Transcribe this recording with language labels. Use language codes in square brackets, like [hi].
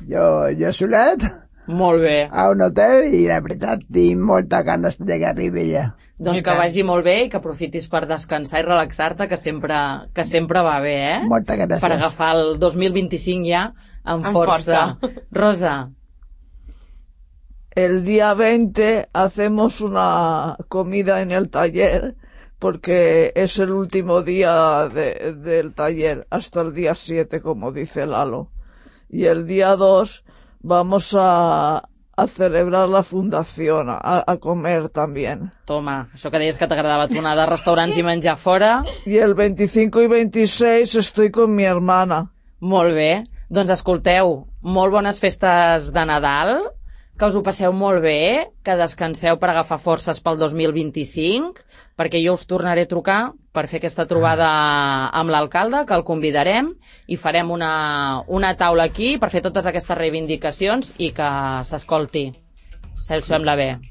[ca] Jo solet... Molt bé. A un hotel i la veritat tinc molta ganes de que arribi ja. Doncs que vagi molt bé i que aprofitis per descansar i relaxar-te, que sempre va bé, eh? Moltes gràcies. Per agafar el 2025 ja amb força. Força. Rosa. [es] El dia 20 hacemos una comida en el taller porque es el último día del taller hasta el día 7, como dice Lalo. Y el día 2... vamos a celebrar la fundación, a comer también. [ca] Toma, això que deies que t'agradava tornar de restaurants i menjar fora. [es] I el 25 i 26 estoy con mi hermana. [ca] Molt bé, doncs escolteu, molt bones festes de Nadal, que us ho passeu molt bé, que descanseu per agafar forces pel 2025, perquè jo us tornaré a trucar per fer aquesta trobada amb l'alcalde, que el convidarem, i farem una taula aquí per fer totes aquestes reivindicacions i que s'escolti, si us sembla bé.